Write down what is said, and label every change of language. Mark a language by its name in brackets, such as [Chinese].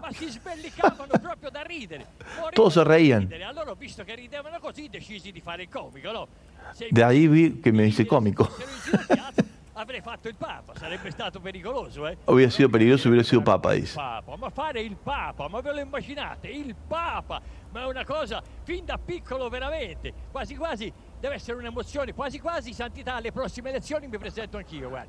[Italian] Ma si sbellicavano proprio da ridere. [Spanish] Todos se reían. [Italian] Allora ho visto che ridevano così, decisi di fare il comico, no? [Spanish] De ahí vi que me hice comico. [Italian] Avrei fatto il Papa, sarebbe stato pericoloso, eh? [Spanish] Hubiera sido peligroso, hubiera sido Papa, dice. [Italian] Ma fare il Papa, ma ve lo immaginate? Il Papa, ma è una cosa fin da piccolo veramente, quasi quasi... Deve essere un'emozione, quasi quasi, santità, alle prossime elezioni mi presento anch'io, guarda.